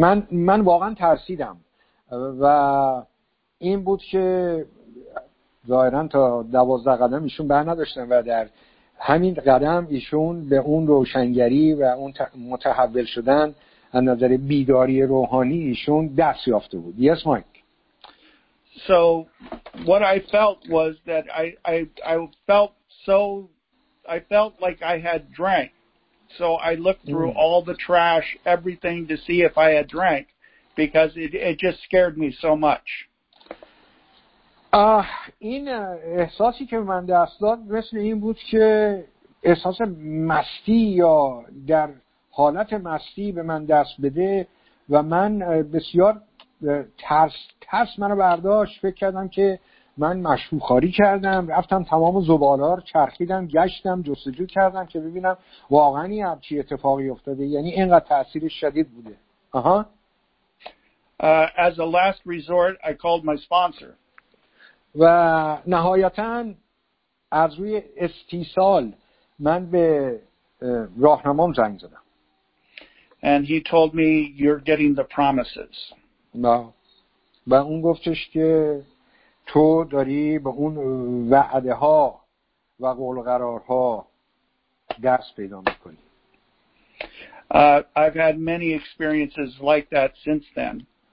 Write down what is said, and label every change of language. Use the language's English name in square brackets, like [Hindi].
[Persian] من واقعا ترسیدم و این بود که ظاهرن تا 12 قدم ایشون بر نداشتن و در همین قدم ایشون به اون روشنگری و اون متحول شدن از نظر بیداری روحانی ایشون دست یافته بود. [English] Yes, Mike. So what I felt was that I felt like I had drank. So I looked through all the trash, everything to see if I had drank because it just scared me so much. [Persian] این احساسی که من دست داد مثل این بود که احساس مستی یا در حالت مستی به من دست بده و من بسیار ترس منو برداشت. فکر کردم که من مشروبخواری کردم، رفتم تمام زباله‌ها رو چرخیدم، گشتم، جستجو کردم که ببینم واقعا این چه اتفاقی افتاده، یعنی اینقدر تأثیر شدید بوده. [English] As a last resort I called my sponsor. [Persian] و نهایتا از روی استیصال من به راهنمام زنگ زدم. [English] And he told me you're getting the promises. [Persian] و اون گفتش که تو داری به اون وعده ها و قول و قرار ها دست پیدا میکنی. [English] I've had many experiences like that since then.